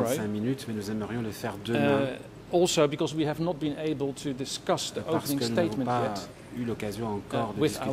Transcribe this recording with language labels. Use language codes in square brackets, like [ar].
[fr] de 45 minutes, mais nous aimerions le faire demain. [en] Also, because we have not been able to discuss the opening statement yet, [fr] parce que nous n'avons pas eu l'occasion encore de discuter